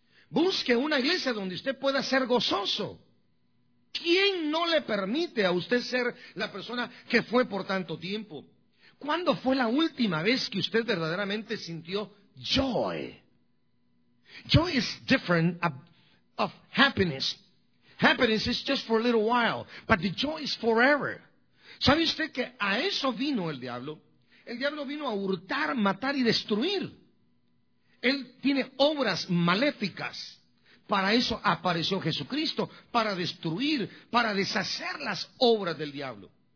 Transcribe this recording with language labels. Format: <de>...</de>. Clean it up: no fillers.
<es>Busque una iglesia donde usted pueda ser gozoso. ¿Quién no le permite a usted ser la persona que fue por tanto tiempo? ¿Cuándo fue la última vez que usted verdaderamente sintió joy?</es> <en>Joy is different of happiness. Happiness is just for a little while, but the joy is forever.</en> <es>¿Sabe usted que a eso vino el diablo? El diablo vino a hurtar, matar y destruir. Él tiene obras maléficas. Para eso apareció Jesucristo, para destruir, para deshacer las obras del diablo.</es>